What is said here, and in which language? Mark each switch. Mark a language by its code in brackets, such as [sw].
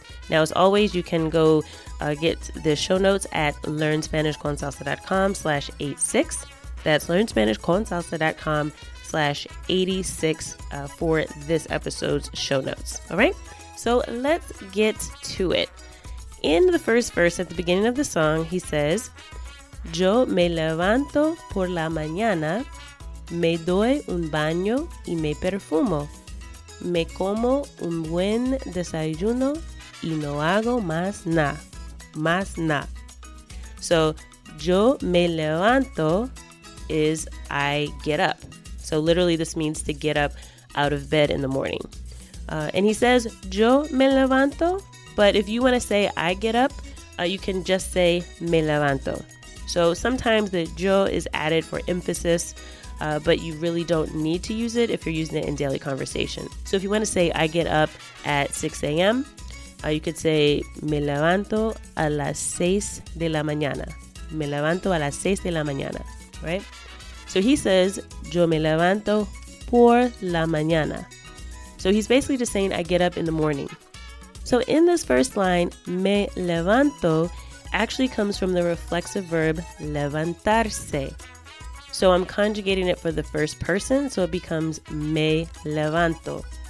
[en] Now, as always, you can go get the show notes at learnspanishconsalsa.com/86. That's learnspanishconsalsa.com/86 for this episode's show notes. All right, so let's get to it. In the first verse at the beginning of the song, he says, [es] yo me levanto por la mañana, me doy un baño y me perfumo, me como un buen desayuno y no hago más nada, más nada. [en] So, [es] yo me levanto [en] is I get up. So literally this means to get up out of bed in the morning. And he says, [es] yo me levanto, [en] but if you want to say I get up, you can just say [es] me levanto. [en] So sometimes the yo is added for emphasis, but you really don't need to use it if you're using it in daily conversation. So if you want to say I get up at 6 a.m., you could say [es] me levanto a las 6 de la mañana. Me levanto a las 6 de la mañana, [en] right? So he says, [es] yo me levanto por la mañana. [en] So he's basically just saying I get up in the morning. So in this first line, [es] me levanto [en] actually comes from the reflexive verb levantarse. So I'm conjugating it for the first person, so it becomes [es] me levanto.